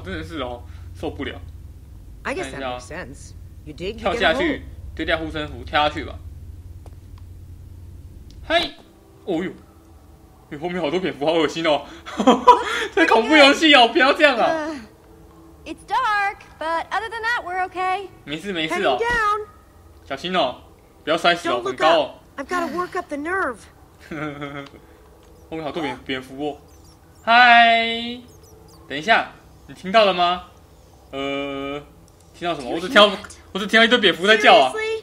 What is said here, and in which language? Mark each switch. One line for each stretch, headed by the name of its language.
Chinese: 真的是哦，受不了。
English: I guess that makes sense.
Chinese: 跳下去，丢掉护身符，跳下去吧。嘿，哦呦，你后面好多蝙蝠，好恶心哦！这恐怖游戏哦，不要这样啊
English: ！It's dark, but other than that, we're okay.
Chinese: 没事没事哦，小心哦，不要摔死哦，很高哦。
English: I've got to work up the nerve.
Chinese: 后面好多蝙蝠哦。嗨，等一下，你听到了吗？听到什么？我只听到一堆蝙蝠在叫啊！